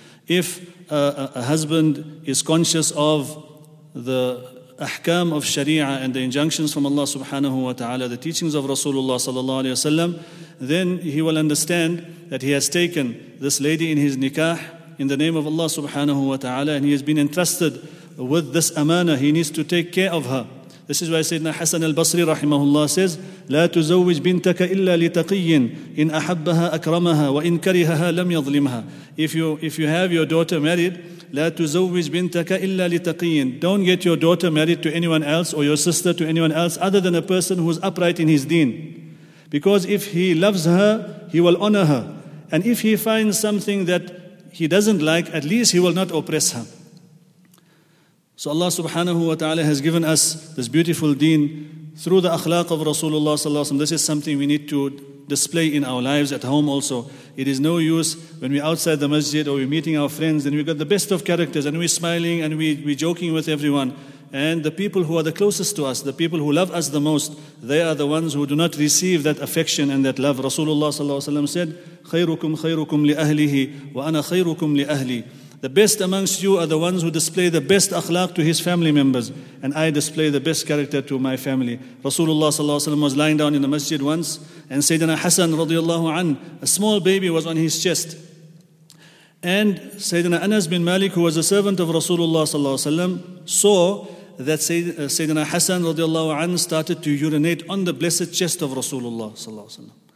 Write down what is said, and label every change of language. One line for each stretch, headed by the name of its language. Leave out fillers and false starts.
English: If a husband is conscious of the ahkam of sharia and the injunctions from Allah subhanahu wa ta'ala, the teachings of Rasulullah sallallahu alayhi wa sallam, then he will understand that he has taken this lady in his nikah in the name of Allah subhanahu wa ta'ala, and he has been entrusted with this amana. He needs to take care of her. This is why Sayyidina Hassan al-Basri rahimahullah says,
Arabic: لَا تُزَوِّجْ بِنْتَكَ إِلَّا لِتَقِيٍّ إِنْ أَحَبَّهَا أَكْرَمَهَا وَإِنْ كَرِهَهَا لَمْ يَظْلِمْهَا.
English: If you have your daughter married,
Arabic: لَا تُزَوِّجْ بِنْتَكَ إِلَّا لِتَقِيٍّ.
English: Don't get your daughter married to anyone else, or your sister to anyone else, other than a person who is upright in his deen. Because if he loves her, he will honor her. And if he finds something that he doesn't like, at least he will not oppress her. So Allah subhanahu wa ta'ala has given us this beautiful deen through the akhlaq of Rasulullah sallallahu alaihi wasallam. This is something we need to display in our lives at home also. It is no use when we're outside the masjid or we're meeting our friends and we've got the best of characters and we're smiling and we're joking with everyone. And the people who are the closest to us, the people who love us the most, they are the ones who do not receive that affection and that love. Rasulullah sallallahu alaihi wasallam said,
Arabic: خَيْرُكُمْ خَيْرُكُمْ لِأَهْلِهِ وَأَنَا خَيْرُكُمْ لِأَهْلِي.
English: The best amongst you are the ones who display the best akhlaq to his family members, and I display the best character to my family. Rasulullah sallallahu alaihi wasallam was lying down in the masjid once, and Sayyidina Hassan radiallahu anhu, a small baby, was on his chest. And Sayyidina Anas bin Malik, who was a servant of Rasulullah sallallahu alaihi wasallam, saw that Sayyidina Hassan radiallahu anhu started to urinate on the blessed chest of Rasulullah sallallahu alaihi wasallam.